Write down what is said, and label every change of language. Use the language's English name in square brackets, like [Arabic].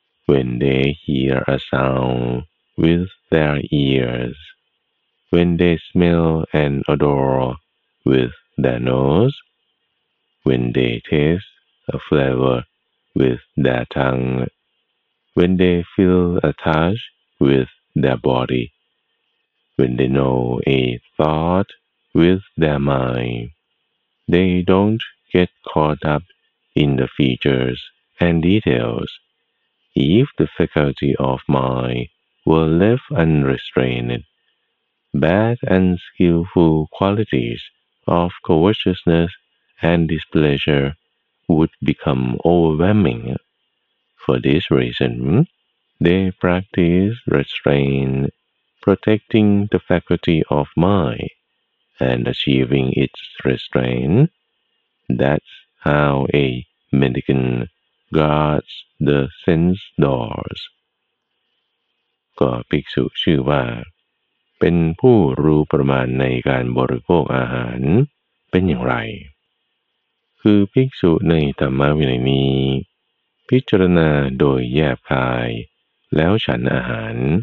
[English] When they hear a sound with their ears, when they smell and odor with their nose, when they taste a flavor with their tongue, when they feel a touch with their body, when they know a thought with their mindThey don't get caught up in the features and details. If the faculty of mind were left unrestrained, bad and skillful qualities of covetousness and displeasure would become overwhelming. For this reason, they practice restraint, protecting the faculty of mindand achieving its restraint, that's how a mendicant guards the sense doors [Thai] ก็ภิกษุชื่อว่าเป็นผู้รู้ประมาณในการบริโภคอาหารเป็นอย่างไรคือภิกษุในธรรมวินัยนี้พิจารณาโดยแยบคายแล้วฉันอาหาร